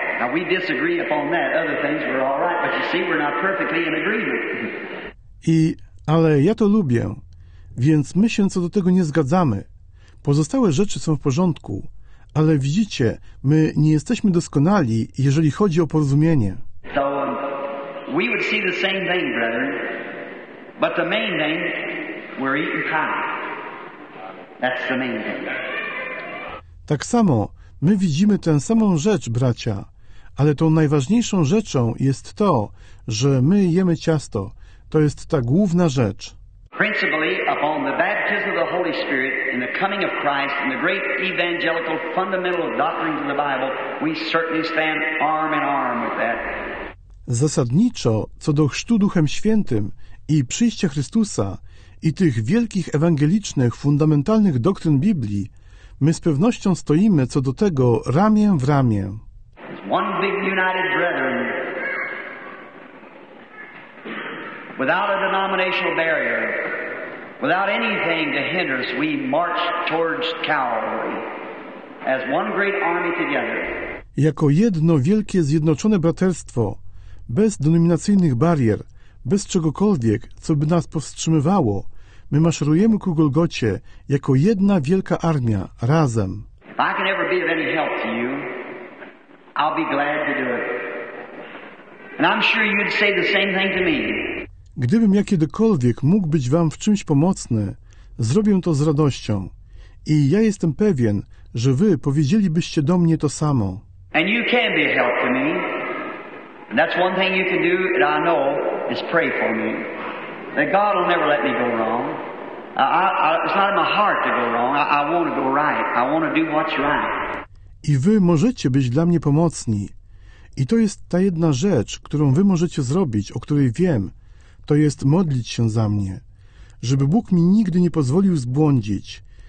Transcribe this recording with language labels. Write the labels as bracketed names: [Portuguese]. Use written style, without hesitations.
[English] Now we disagree upon that. Other things were all right, but you see, we're not perfectly in agreement. [Polish] Ale ja to lubię, więc my się co do tego nie zgadzamy. Pozostałe rzeczy są w porządku, ale widzicie, my nie jesteśmy doskonali, jeżeli chodzi o porozumienie. [English] So, we would see the same thing, brethren, but the main thing, we're eating pie. That's the main thing. [Polish] Tak samo, my widzimy tę samą rzecz, bracia, ale tą najważniejszą rzeczą jest to, że my jemy ciasto. To jest ta główna rzecz. [English] Principally upon the baptism of the Holy Spirit and the coming of Christ and the great evangelical fundamental doctrines of the Bible, we certainly stand arm in arm with that. [Polish] Zasadniczo co do chrztu Duchem Świętym i przyjścia Chrystusa i tych wielkich ewangelicznych fundamentalnych doktryn Biblii, my z pewnością stoimy co do tego ramię w ramię. [English] One big united brethren. Without a denominational barrier, without anything to hinder us, we march towards Calvary as one great army together. [Polish] Jako jedno wielkie zjednoczone braterstwo, bez denominacyjnych barier, bez czegokolwiek, co by nas powstrzymywało, my maszerujemy ku Golgocie jako jedna wielka armia, razem. [English] If I can ever be of any help to you, I'll be glad to do it. And I'm sure you'd say the same thing to me. [Polish] Gdybym ja kiedykolwiek mógł być wam w czymś pomocny, zrobię to z radością. I ja jestem pewien, że wy powiedzielibyście do mnie to samo. [English] And you can be a help to me. And that's one thing you can do, and I know, is pray for me. That God will never let me go wrong. It's not in my heart to go wrong. I want to go right. I want to do what's right. [Polish] I wy możecie być dla mnie pomocni. I to jest ta jedna rzecz, którą wy możecie zrobić, o której wiem. To jest modlić się za mnie, żeby Bóg mi nigdy nie pozwolił zbłądzić.